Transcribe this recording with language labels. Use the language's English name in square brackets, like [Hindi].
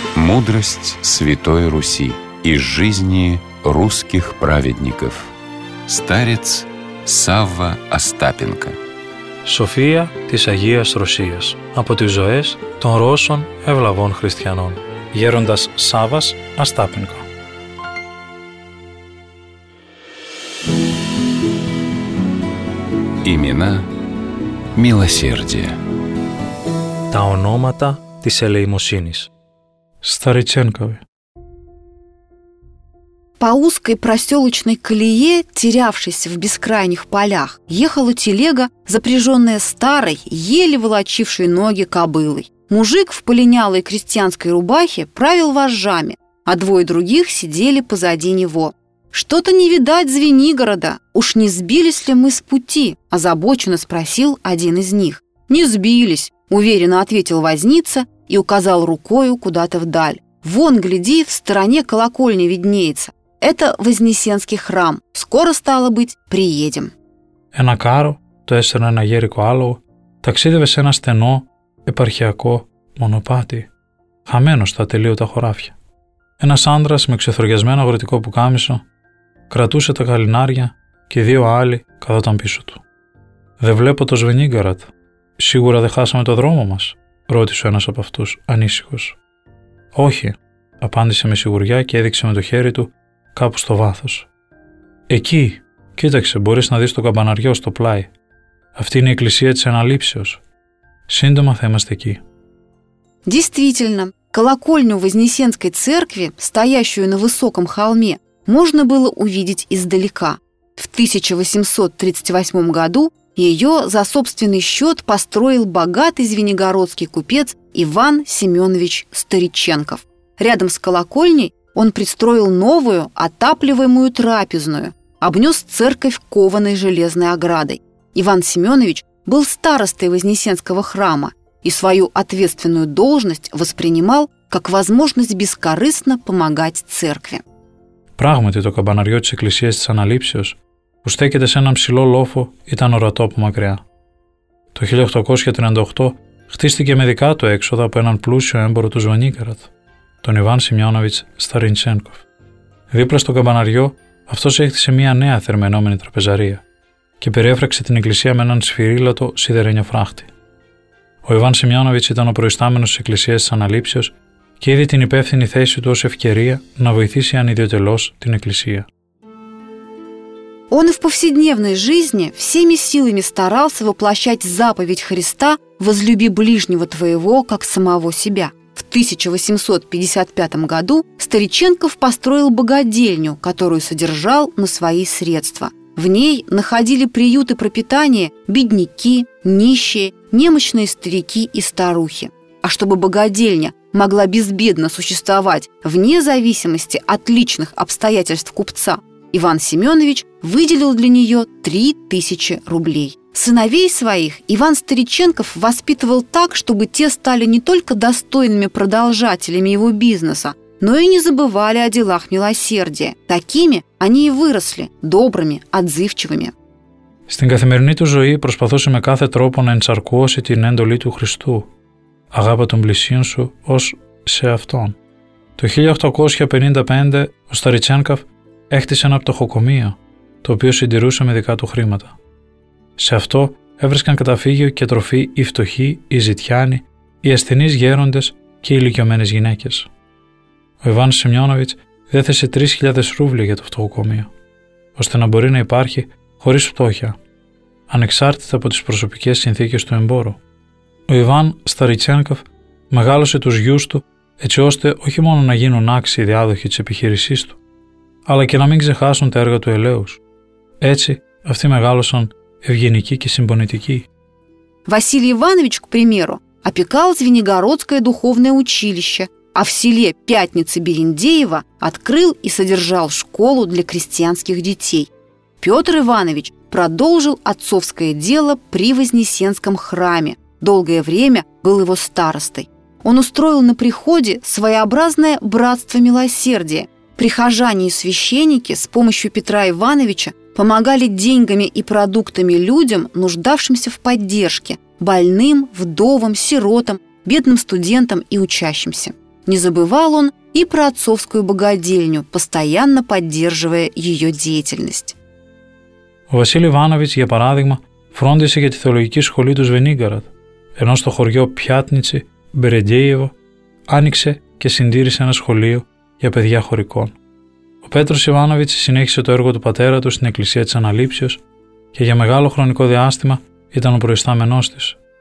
[Russian] Мудрость Святой Руси из жизни русских праведников. Старец Савва Остапенко. [Greek] Σοφία της Αγίας Ρωσίας από τις ζωές των Ρώσων ευλαβών χριστιανών. Γέροντας Σάββας Αστάπινκο. [Russian] Имена милосердия. [Greek] Τα ονόματα της ελεημοσύνης. [Russian] Старыченковы. По узкой проселочной колее, терявшейся в бескрайних полях, ехала телега, запряженная старой, еле волочившей ноги кобылой. Мужик в полинялой крестьянской рубахе правил вожжами, а двое других сидели позади него. «Что-то не видать Звенигорода. Уж не сбились ли мы с пути?» – озабоченно спросил один из них. «Не сбились», – уверенно ответил возница и указал рукою куда-то вдаль. «Вон, гляди, в стороне колокольня виднеется. Это Вознесенский храм. Скоро, стало быть, приедем». [Greek] Ένα κάρο, το έστερνα ένα γέρικο άλογο, ταξίδευε σε ένα στενό, επαρχιακό μονοπάτι, χαμένο στα τελείωτα χωράφια. Ένας άντρας με ξεθοριασμένο αγροτικό πουκάμισο κρατούσε τα γαλινάρια και δύο άλλοι καθόταν πίσω του. «Δεν βλέπω το Σβενίγκαρατ. Σίγουρα δεν χάσαμε το δρόμο μας?» ρώτησε ένας από αυτούς, ανήσυχος. «Όχι», απάντησε με σιγουριά και έδειξε με το χέρι του κάπου στο βάθος. «Εκεί, κοίταξε, μπορείς να δεις το καμπαναριό στο πλάι. Αυτή είναι η εκκλησία της Αναλήψεως. Σύντομα θα είμαστε εκεί». [Russian] Действительно, колокольню Вознесенской церкви, стоящую на высоком холме, можно было увидеть издалека. В 1838 году ее за собственный счет построил богатый звенигородский купец Иван Семенович Стариченков. Рядом с колокольней он пристроил новую отапливаемую трапезную, обнес церковь кованой железной оградой. Иван Семенович был старостой Вознесенского храма и свою ответственную должность воспринимал как возможность бескорыстно помогать церкви. [Greek] Πράγματι, το καμπαναριό της Εκκλησίας της Αναλήψεως, που στέκεται σε έναν ψηλό λόφο, ήταν ορατό από μακριά. Το 1838 χτίστηκε με δικά του έξοδα από έναν πλούσιο έμπορο του Σβενίγκαρατ, τον Ιβάν Σημειώναβιτς Σταριντσένκοφ. Δίπλα στο καμπαναριό, αυτός έχτισε μια νέα θερμαινόμενη τραπεζαρία και περιέφραξε την εκκλησία με έναν σφυρίλατο σιδερένιο φράχτη. Ο Ιβάν Σημειώναβιτς ήταν ο προϊστάμενος της Εκκλησίας της Αναλήψεως και είδε την υπεύθυνη θέση του ως ευκαιρία να βοηθήσει ανιδιωτελώς την Εκκλησία. [Russian] Он и в повседневной жизни всеми силами старался воплощать заповедь Христа «Возлюби ближнего твоего, как самого себя». В 1855 году Стариченков построил богадельню, которую содержал на свои средства. В ней находили приют и пропитание бедняки, нищие, немощные старики и старухи. А чтобы богадельня могла безбедно существовать вне зависимости от личных обстоятельств купца, Иван Семенович выделил для нее 3000 рублей. Сыновей своих Иван Стариченков воспитывал так, чтобы те стали не только достойными продолжателями его бизнеса, но и не забывали о делах милосердия. Такими они и выросли, добрыми, отзывчивыми. [Greek] Στην καθημερινή του ζωή προσπαθούσε με κάθε τρόπο να ενσαρκώσει την έντολή του Χριστού. Αγάπα τον πλησίον σου ως σε αυτόν. Το 1855 ο Σταριτσένκαφ έχτισε ένα πτωχοκομείο, το οποίο συντηρούσε με δικά του χρήματα. Σε αυτό έβρισκαν καταφύγιο και τροφή οι φτωχοί, οι ζητιάνοι, οι ασθενείς γέροντες και οι ηλικιωμένες γυναίκες. Ο Ιβάν Σεμιόνοβιτς διέθεσε 3.000 ρούβλια για το φτωχοκομείο, ώστε να μπορεί να υπάρχει χωρίς φτώχεια, ανεξάρτητα από τις προσωπικές συνθήκες του εμπόρου. Ο Ιβάν Σταριτσένκοφ μεγάλωσε τους γιους του έτσι ώστε όχι μόνο να γίνουν άξιοι διάδοχοι της επιχείρησής του, αλλά και να μην ξεχάσουν τα έργα του ελέους. Έτσι, αυτοί μεγάλωσαν ευγενικοί και συμπονητικοί. [Russian] Василий Иванович, к примеру, опекал Звенигородское духовное училище, а в селе Пятницы Берендеево открыл и содержал школу для крестьянских детей. Петр Иванович продолжил отцовское дело при Вознесенском храме, долгое время был его старостой. Он устроил на приходе своеобразное братство милосердия. Прихожане и священники с помощью Петра Ивановича помогали деньгами и продуктами людям, нуждавшимся в поддержке, больным, вдовам, сиротам, бедным студентам и учащимся. Не забывал он и про отцовскую богадельню, постоянно поддерживая ее деятельность. [Greek] Василий Иванович, для парадигма, фрондисе για τη θεολογική σχολή του Звенигород, ενώ στο χωριό Πιάτνιτσι, Μπερεντέιεβο, άνοιξε και συντήρησε ένα σχολείο για παιδιά χωρικών. Ο Πέτρος Ιβάνοβιτς συνέχισε το έργο του πατέρα του στην εκκλησία της Αναλήψεως και για μεγάλο χρονικό διάστημα ήταν ο προϊστάμενός της.